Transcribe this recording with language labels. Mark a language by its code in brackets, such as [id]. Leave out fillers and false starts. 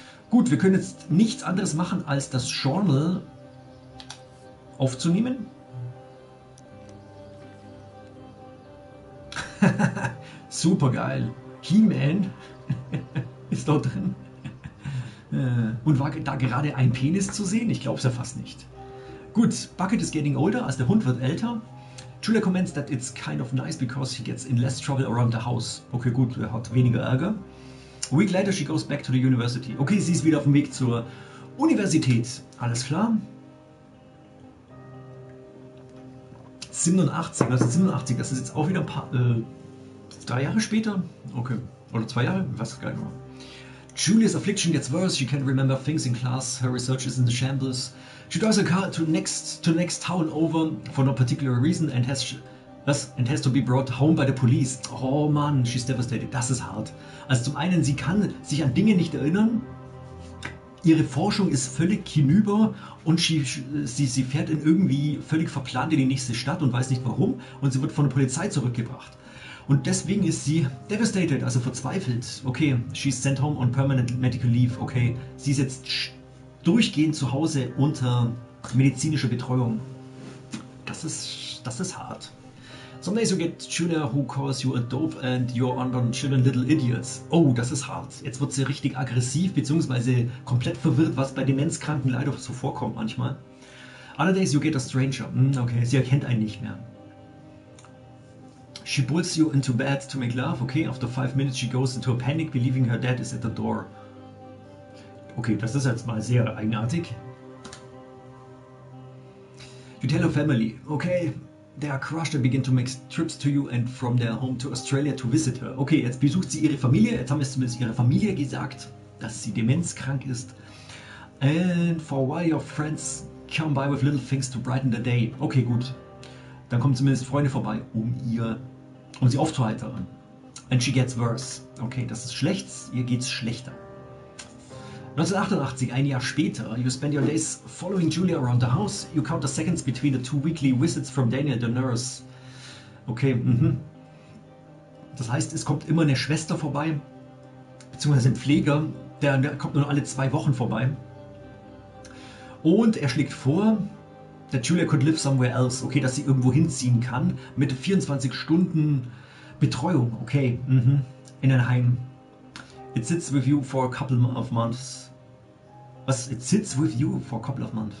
[de] Gut, wir können jetzt nichts anderes machen, als das Journal aufzunehmen. Super geil. He-Man ist dort drin. Und war da gerade ein Penis zu sehen? Ich glaub's ja fast nicht. Gut, [en] Bucket is getting older, [de] also der Hund wird älter. [en] Julia comments that it's kind of nice because he gets in less trouble around the house. Okay, [de] gut, er hat weniger Ärger. [en] A week later she goes back to the university. [de] Okay, sie ist wieder auf dem Weg zur Universität. Alles klar. 87, also 87, das ist jetzt auch wieder ein paar, 3 Jahre später? Okay, oder 2 Jahre? Ich weiß gar nicht mehr. [en] Julia's affliction gets worse. She can't remember things in class. Her research is in the shambles. She drives her car to next town over for no particular reason and has to be brought home by the police. [de] Oh Mann, [en] she's devastated. [de] Das ist hart. Also zum einen, sie kann sich an Dinge nicht erinnern. Ihre Forschung ist völlig hinüber und sie fährt in irgendwie völlig verplant in die nächste Stadt und weiß nicht warum. Und sie wird von der Polizei zurückgebracht. Und deswegen ist sie devastated, also verzweifelt. Okay, [en] she's sent home on permanent medical leave. [de] Okay, sie ist jetzt durchgehend zu Hause unter medizinischer Betreuung. Das ist hart. [en] Some days you get Julia who calls you a dope and your unborn children little idiots. [de] Oh, das ist hart. Jetzt wird sie richtig aggressiv bzw. komplett verwirrt, was bei Demenzkranken leider so vorkommt manchmal. [en] Other days you get a stranger. Okay, [de] sie erkennt einen nicht mehr. [en] She pulls you into bed to make love. Okay, after 5 minutes she goes into a panic, believing her dad is at the door. [de] Okay, das ist jetzt mal sehr eigenartig. [en] You tell her family. Okay, they are crushed and begin to make trips to you and from their home to Australia to visit her. [de] Okay, jetzt besucht sie ihre Familie. Jetzt haben wir zumindest ihre Familie gesagt, dass sie demenzkrank ist. [en] And for a while your friends come by with little things to brighten the day. [de] Okay, gut. Dann kommen zumindest Freunde vorbei, um sie aufzuheitern. [en] And she gets worse. [de] Okay, das ist schlecht. Ihr geht's schlechter. [en] 1988, [de] ein Jahr später, [en] you spend your days following Julia around the house. You count the seconds between the 2 weekly visits from Daniel, the nurse. [de] Okay, Das heißt, es kommt immer eine Schwester vorbei, beziehungsweise ein Pfleger, der kommt nur alle 2 Wochen vorbei. Und er schlägt vor, [en] that Julia could live somewhere else. [de] Okay, dass sie irgendwo hinziehen kann mit 24 Stunden Betreuung. Okay, In ein Heim. [en] It sits with you for a couple of months. Was? It sits with you for a couple of months.